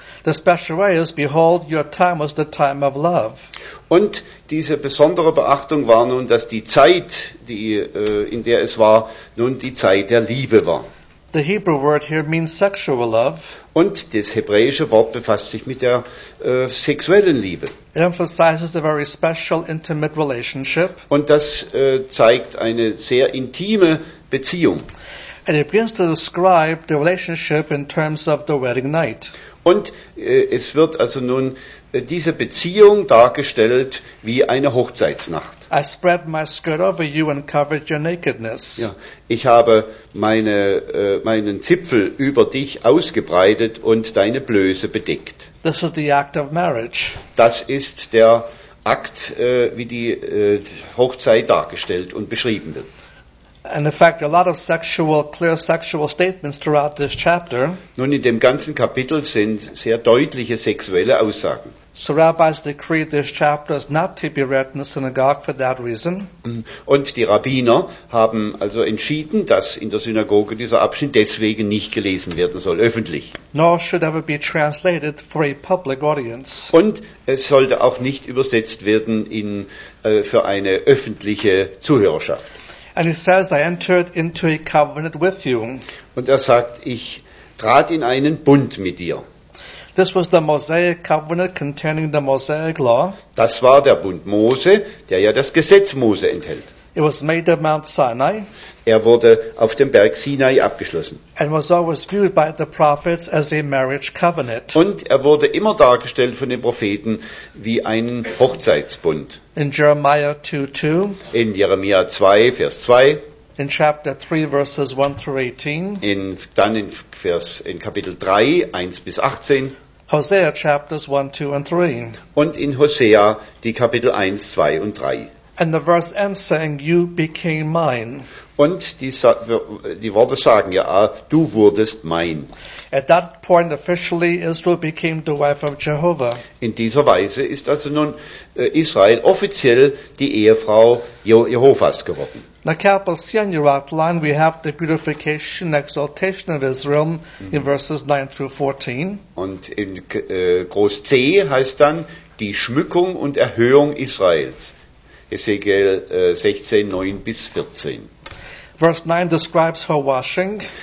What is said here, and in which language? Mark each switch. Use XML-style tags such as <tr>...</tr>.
<en>The special way is, behold, your time was the time of love.</en> <de>Und diese besondere Beachtung war nun, dass die Zeit, die, in der es war, nun die Zeit der Liebe war.</de> <en>The Hebrew word here means sexual love.</en> <de>Und das hebräische Wort befasst sich mit der sexuellen Liebe.</de> <en>It emphasizes the very special intimate relationship.</en> <de>Und das zeigt eine sehr intime Beziehung.</de> <en>And it begins to describe the relationship in terms of the wedding night.</en> <de>Und es wird also nun diese Beziehung dargestellt wie eine Hochzeitsnacht.</de> <en>I spread my skirt over you and covered your nakedness.</en> <de>Ja, ich habe meinen Zipfel über dich ausgebreitet und deine Blöße bedeckt.</de> <en>This is the act of marriage.</en> <de>Das ist der Akt, wie die Hochzeit dargestellt und beschrieben wird.</de> <en>And in fact, a lot of sexual, clear sexual statements throughout this chapter.</en> <de>Nun, in dem ganzen Kapitel sind sehr deutliche sexuelle Aussagen.</de> <en>So rabbis decreed this chapter is not to be read in the synagogue for that reason.</en> <de>Und die Rabbiner haben also entschieden, dass in der Synagoge dieser Abschnitt deswegen nicht gelesen werden soll, öffentlich.</de> <en>Nor should ever be translated for a public audience.</en> <de>Und es sollte auch nicht übersetzt werden in, für eine öffentliche Zuhörerschaft.</de> <en>And he says, I entered into a covenant with you.</en> <de>Und er sagt, ich trat in einen Bund mit dir.</de> <en>This was the Mosaic covenant containing the Mosaic law.</en> <de>Das war der Bund Mose, der ja das Gesetz Mose enthält.</de> <en>It was made at Mount Sinai.</en> <de>Er wurde auf dem Berg Sinai abgeschlossen.</de> <en>And was always viewed by the prophets as a marriage covenant.</en> <de>Und er wurde immer dargestellt von den Propheten wie einen Hochzeitsbund.</de> <en>In Jeremiah 2:2.</en> <de>In Jeremia 2, Vers 2.</de> <en>In chapter 3, verses 1 through 18.</en> <de>In Kapitel 3, 1 bis 18.</de> <en>Hosea chapters 1, 2 and 3.</en> <de>Und in Hosea die Kapitel 1, 2 und 3.</de> <en>And the verse ends saying, you became mine.</en> <de>Und die Worte sagen ja, du wurdest mein.</de> <en>At that point, officially, Israel became the wife of Jehovah.</en> <de>In dieser Weise ist also nun Israel offiziell die Ehefrau Jehovas geworden.</de> <en>Now, capital C on your outline, we have the beautification and exaltation of Israel in verses 9 through 14.</en> <de>Und in Groß C heißt dann die Schmückung und Erhöhung Israels. Ezekiel 16, 9 bis 14.</de> <en>Verse 9 describes her washing.</en>